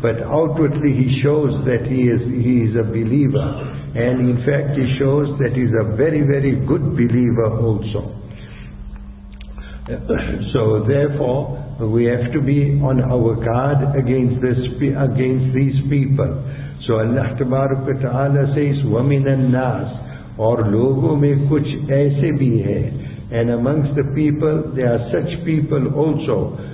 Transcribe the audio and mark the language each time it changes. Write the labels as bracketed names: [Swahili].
[English] But outwardly he shows that he is a believer. And in fact he shows that he is a very, very good believer also. So therefore, we have to be on our guard against these people. So Allah Tabaruk wa Ta'ala says, [Arabic] وَمِنَ النَّاسِ [Urdu] اور لوگوں میں کچھ ایسے بھی ہیں. [English] And amongst the people, there are such people also.